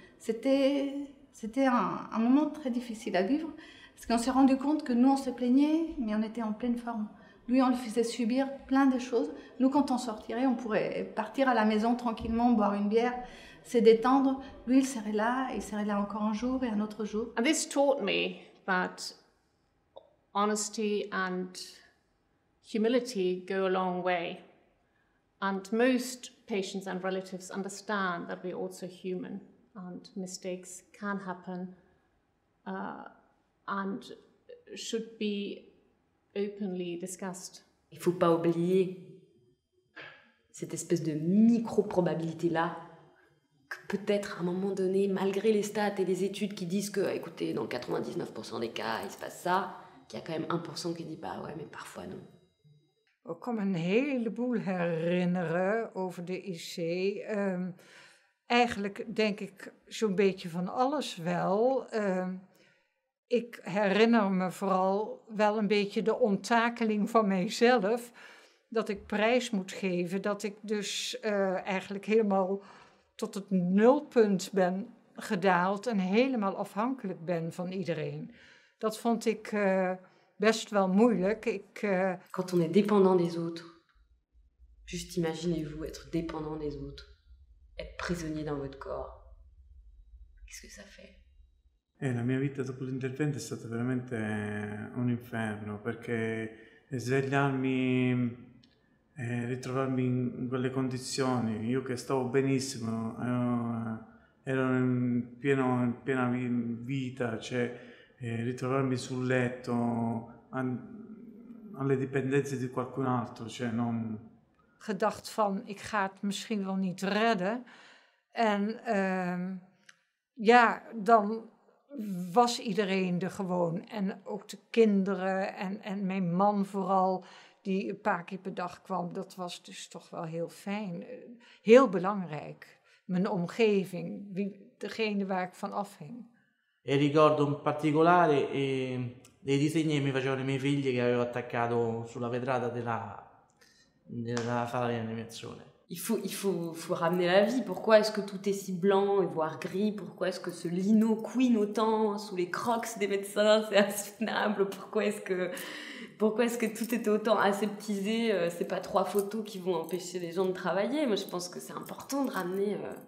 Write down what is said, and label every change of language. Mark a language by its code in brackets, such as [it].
[fr] C'était un moment très difficile à vivre, parce qu'on s'est rendu compte que nous, on se plaignait, mais on était en pleine forme. Lui, on le faisait subir plein de choses. Nous, quand on sortirait, on pourrait partir à la maison tranquillement, boire une bière, se détendre. Lui, il serait là encore un jour et un autre jour. [en] And this taught me that honesty and humility go a long way, and most patients and relatives understand that we're also human and mistakes can happen and should be openly discussed. [fr] Il faut pas oublier cette espèce de micro-probabilité là que peut-être à un moment donné, malgré les stats et les études qui disent que, écoutez, dans 99% des cas, il se passe ça, qu'il y a quand même 1% qui dit bah ouais, mais parfois non. [nl] Ik kan me een heleboel herinneren over de IC. Eigenlijk denk ik zo'n beetje van alles wel. Ik herinner me vooral wel een beetje de onttakeling van mijzelf. Dat ik prijs moet geven. Dat ik dus eigenlijk helemaal tot het nulpunt ben gedaald. En helemaal afhankelijk ben van iedereen. Dat vond ik best wel moeilijk. [fr] Quand on est dépendant des autres, juste imaginez-vous être dépendant des autres, être prisonnier dans votre corps. Qu'est-ce que ça fait? [it] La mia vita dopo l'intervento è stata veramente un inferno, perché svegliarmi e ritrovarmi in quelle condizioni, io che stavo benissimo, ero in piena vita, cioè ritrovarmi sul letto alle dipendenze di qualcun altro, cioè non [nl] gedacht van ik ga het misschien wel niet redden en ja dan was iedereen er gewoon en ook de kinderen en mijn man vooral die een paar keer per dag kwam, dat was dus toch wel heel fijn, heel belangrijk, mijn omgeving, wie, degene waar ik van afhing. [it] E ricordo un particolare dei disegni che mi facevano i miei figli che avevo attaccato sulla vetrata della sala di animazione. [fr] Il faut ramener la vie. Pourquoi est-ce que tout est si blanc et voire gris? Pourquoi est-ce que ce lino couine autant sous les crocs des médecins? C'est insoutenable. Pourquoi est-ce que tout est autant aseptisé? C'est pas trois photos qui vont empêcher les gens de travailler. Moi, je pense que c'est important de ramener.